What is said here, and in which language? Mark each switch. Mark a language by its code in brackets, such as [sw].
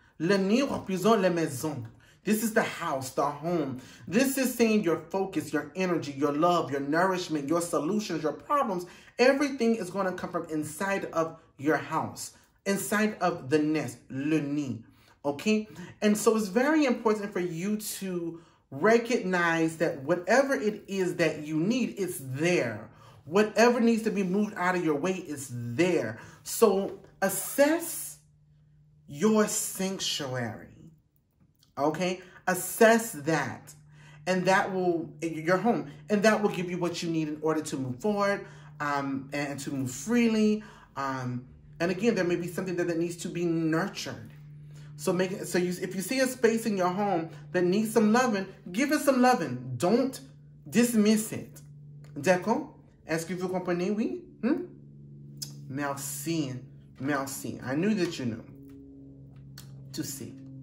[fr] Le nid représente la maison. [en] This is the house, the home. This is saying your focus, your energy, your love, your nourishment, your solutions, your problems. Everything is going to come from inside of your house, inside of the nest, le nid. Okay? And so it's very important for you to recognize that whatever it is that you need, it's there. Whatever needs to be moved out of your way is there. So assess your sanctuary. Okay? Assess that. And that will, your home, and that will give you what you need in order to move forward and to move freely. And again, there may be something that needs to be nurtured. If you see a space in your home that needs some loving, give it some loving. Don't dismiss it. [fr] D'accord? Est-ce que vous comprenez, oui? Merci. [en] I knew that you knew. To see.